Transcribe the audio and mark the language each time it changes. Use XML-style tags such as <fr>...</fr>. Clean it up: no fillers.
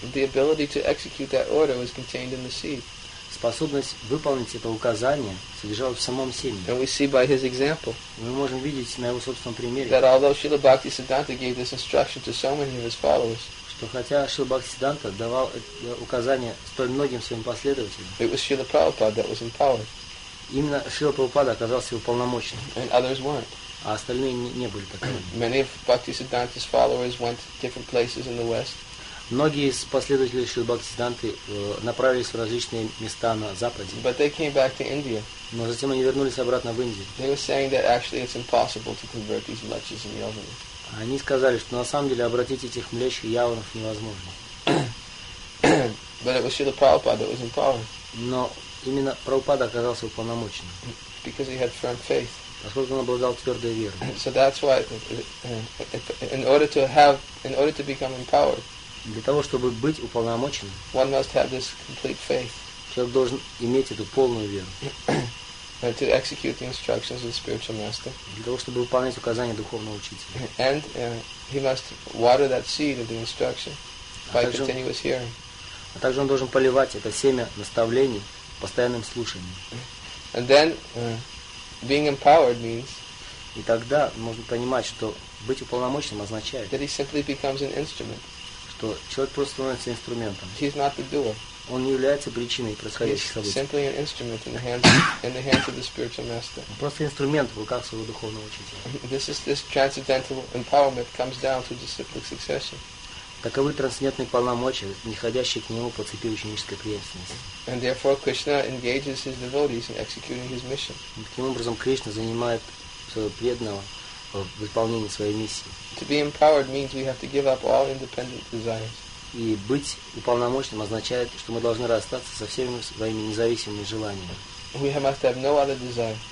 <en>the ability to execute that order was contained in the seed.</en> <ru>Способность выполнить это указание содержалась в самом семени.</ru> <en>And we see by his example.</en> <ru>Мы можем видеть на его собственном примере.</ru> <en>That although Srila Bhaktisiddhanta gave this instruction to so many of his followers.</en> <ru>Что хотя Шрила Бхактисиддханта давал указания столь многим своим последователям.</ru> <en>It was Srila Prabhupada that was empowered.</en> <ru>Именно Шрила Прабхупада оказался уполномоченным.</ru> <en>And others weren't.</en> <ru>А остальные не были таковыми.</ru> <en>Many of Bhaktisiddhanta's followers went to different places in the West.</en> <ru>Многие из последователей Шрилы Бхактисиддханты направились в различные места на Западе.</ru> <en>But they came back to India.</en> <ru>Но затем они вернулись обратно в Индию.</ru> <en>They were saying that actually it's impossible to convert these mlechas and yavanas.</en> <ru>Они сказали, что на самом деле обратить этих млечей и яванов невозможно.</ru> <en>But it was Srila Prabhupada that was empowered.</en> <ru>Но именно Прабхупада оказался уполномоченным.</ru> <en>Because he had firm faith.</en> <ru>Поскольку он обладал твердой верой.</ru> <en>So that's why, in order to have, in order to become empowered,</en> <ru>для того чтобы быть уполномоченным,</ru> <en>one must have this complete faith.</en> <ru>Человек должен иметь эту полную веру.</ru> <en>To execute the instructions of the spiritual master.</en> <ru>Для того чтобы выполнять указания духовного учителя.</ru> <en>And he must water that seed of the instruction by continuous hearing.</en> <ru>А также он должен поливать это семя наставлений постоянным слушанием.</ru> <en>And then being empowered means.</en> <ru>И тогда можно понимать, что быть уполномоченным означает.</ru> <en>That he simply becomes an instrument.</en> <ru>Что человек просто становится инструментом.</ru> <en>He's not the doer.</en> <ru>Он не является причиной происходящих событий.</ru> <en>He's simply an instrument in the hands of the spiritual master.</en> <ru>Он просто инструмент в руках своего духовного учителя.</ru> <en>This transcendental empowerment comes down to the cyclic succession.</en> <ru>Таковы трансцендентные полномочия, неходящие к нему по цепи ученической преемственности.</ru> <en>And therefore Krishna engages his devotees in executing his mission.</en> <ru>И таким образом Кришна занимает своего преданного в выполнении своей миссии.</ru> <en>To be empowered means we have to give up all independent desires.</en> <ru>И быть уполномоченным означает, что мы должны расстаться со всеми своими независимыми желаниями.</ru> <en>We must have no other desire.</en>